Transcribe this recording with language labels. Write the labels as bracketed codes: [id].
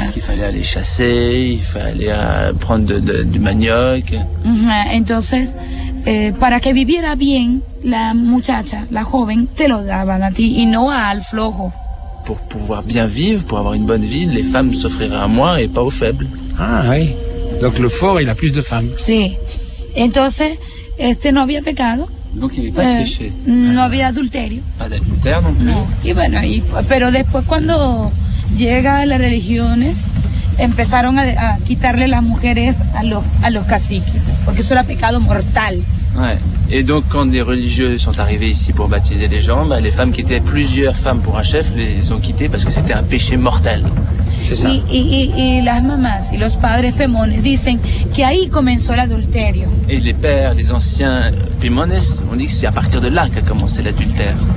[fr] Parce qu'il fallait aller chasser, il fallait prendre du manioc. [es] Entonces, para que viviera bien la muchacha, la joven, te lo daban a ti y no al flojo. [fr] Pour pouvoir bien vivre, pour avoir une bonne vie, les femmes s'offriraient à moi et pas aux faibles. Ah oui. Donc le fort, il a plus de femmes. [es] Sí. Entonces, no había pecado. [fr] Donc il n'y avait pas de péché. [es] No había adulterio. [fr] Pas d'adultère non plus. [es] Y bueno, pero después cuando llega las religiones empezaron a quitarle las mujeres a los caciques, porque eso era pecado mortal. [fr] Ouais. Et donc, quand des religieux sont arrivés ici pour baptiser les gens, bah, les femmes qui étaient plusieurs femmes pour un chef les ont quittées parce que c'était un péché mortel. C'est ça. [es] Y las mamás y los padres pemones dicen que ahí comenzó el adulterio. [fr] Et les pères, les anciens pemones, on dit que c'est à partir de là qu'a commencé l'adultère.